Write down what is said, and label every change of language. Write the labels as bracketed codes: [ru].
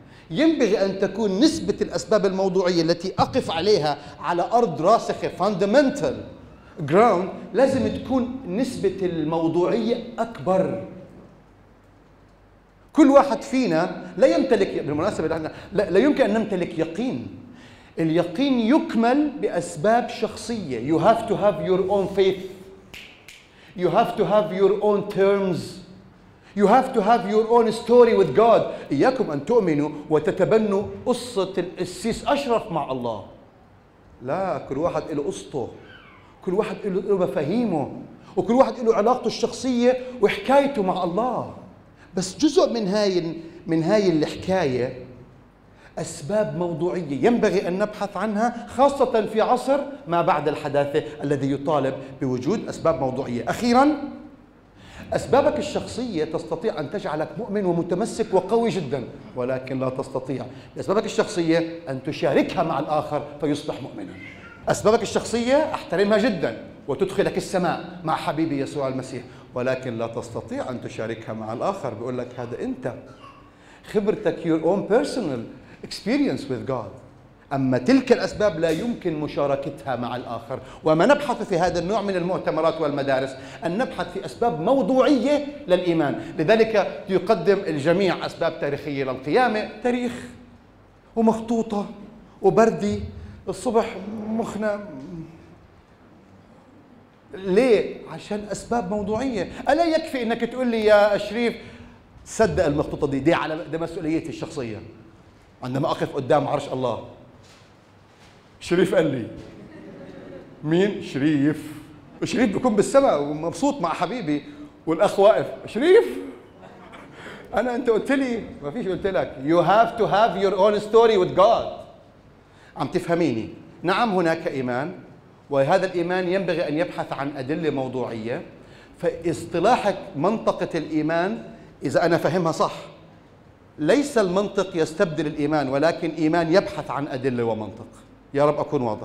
[ar] ينبغي أن تكون نسبة الأسباب الموضوعية التي أقف عليها على أرض راسخة [en] fundamental ground [ar] لازم تكون نسبة الموضوعية أكبر. كل واحد فينا لا يمتلك بالمناسبة لا يمكن أن نمتلك يقين. اليقين يكمل بأسباب شخصية. [en] You have to have your own faith. You have to have your own terms. You have to have your own story with God. [ar] إياكم أن تؤمنوا وتتبنوا قصة القسيس أشرف مع الله. لا، كل واحد له قصته، كل واحد له مفاهيمه، وكل واحد له علاقته الشخصية وحكايته مع الله. بس جزء من هاي الحكاية أسباب موضوعية ينبغي أن نبحث عنها، خاصة في عصر ما بعد الحداثة الذي يطالب بوجود أسباب موضوعية. أخيراً، أسبابك الشخصية تستطيع أن تجعلك مؤمن ومتمسك وقوي جداً، ولكن لا تستطيع أسبابك الشخصية أن تشاركها مع الآخر فيصبح مؤمناً. أسبابك الشخصية أحترمها جداً وتدخلك السماء مع حبيبي يسوع المسيح، ولكن لا تستطيع أن تشاركها مع الآخر. بيقول لك هذا أنت خبرتك [en] your own personal experience with God. [ar] أما تلك الأسباب لا يمكن مشاركتها مع الآخر. وما نبحث في هذا النوع من المؤتمرات والمدارس أن نبحث في أسباب موضوعية للإيمان. لذلك يقدم الجميع أسباب تاريخية للقيامة، تاريخ ومخطوطة وبردي الصبح مخنا. ليه؟ عشان أسباب موضوعية. ألا يكفي أنك تقول لي يا أشريف صدق المخطوطة دي على مسؤوليتي الشخصية عندما أقف قدام عرش الله؟ شريف قال لي مين؟ شريف. وشريف بيكون بالسماء ومبسوط مع حبيبي، والأخ واقف شريف أنا أنت قلت لي ما فيش. قلت لك [en] You have to have your own story with God. [ar] عم تفهميني؟ نعم، هناك إيمان، وهذا الإيمان ينبغي أن يبحث عن أدلة موضوعية. فإصطلاحك منطقة الإيمان إذا أنا فهمها صح، ليس المنطق يستبدل الإيمان، ولكن إيمان يبحث عن أدلة ومنطق. يا رب أكون واضح.